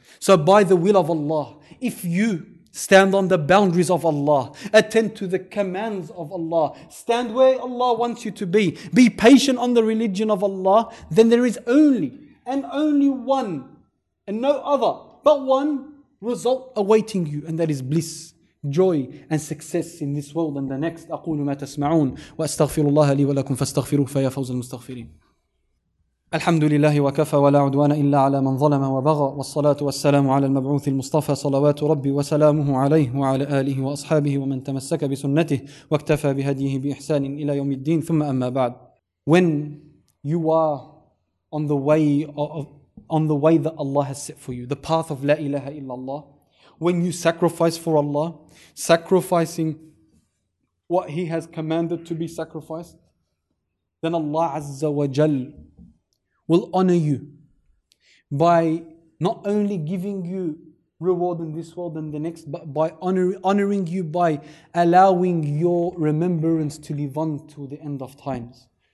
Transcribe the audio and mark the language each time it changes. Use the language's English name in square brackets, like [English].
[English] So by the will of Allah, if you stand on the boundaries of Allah, attend to the commands of Allah, stand where Allah wants you to be patient on the religion of Allah, then there is only and only one and no other but one result awaiting you, and that is bliss, joy and success in this world and the next. [Arabic] أقول ما تسمعون وأستغفر الله لي ولكم فاستغفروه فيا فوز المستغفرين. الحمد لله وكفى ولا عدوان إلا على من ظلم وبغى والصلاة والسلام على المبعوث المصطفى صلوات ربي وسلامه عليه وعلى آله وأصحابه ومن تمسك بسنته واكتفى بهديه بإحسان إلى يوم الدين ثم أما بعد. [English] When you are on the way that Allah has set for you, the path of [Arabic] لا إله إلا الله, [English] when you sacrifice for Allah, sacrificing what He has commanded to be sacrificed, then Allah Azza wa Jal will honor you by not only giving you reward in this world and the next, but by honoring you by allowing your remembrance to live on to the end of times.